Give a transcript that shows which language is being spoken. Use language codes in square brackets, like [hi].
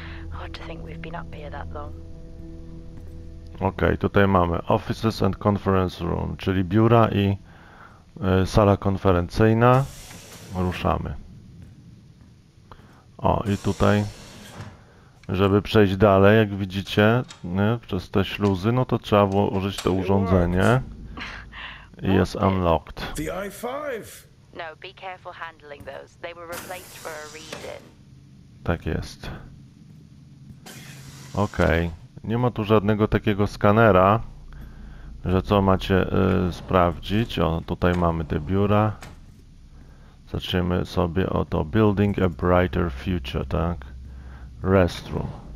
[en] Hard to think we've been up here that long. [pl] Okej, tutaj mamy Offices and Conference Room, czyli biura i sala konferencyjna. Ruszamy. O, i tutaj, żeby przejść dalej, jak widzicie, nie, przez te śluzy, no to trzeba było użyć to [en] It worked. [pl] urządzenie. Jest unlocked. [en] The i5. No, be careful handling those. They were replaced for a reason. [pl] Tak jest. Okej. Nie ma tu żadnego takiego skanera, że co macie sprawdzić. O, tutaj mamy te biura. Zaczniemy sobie o to. [en] Building a brighter future, tak? Restroom.